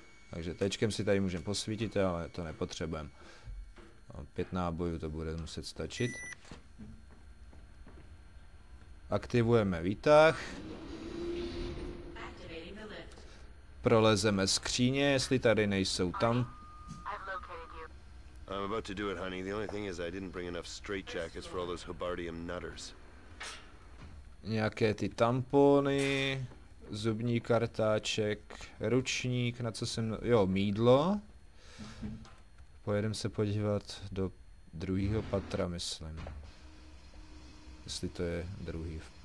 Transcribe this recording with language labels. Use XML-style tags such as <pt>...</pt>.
<cs>Takže tečkem si tady můžeme posvítit, ale to nepotřebujeme. Pět nábojů to bude muset stačit. Aktivujeme výtah. Prolezeme skříně, jestli tady nejsou tam.</cs> <en>I'm about to do it, honey. The only thing is I didn't bring enough straight jackets for all those hobardium nutters.</en> <cs>Nějaké ty tampony. Zubní kartáček, ručník, na co jsem... Jo, mýdlo. Pojedem se podívat do druhého patra, myslím. Jestli to je druhý.</cs>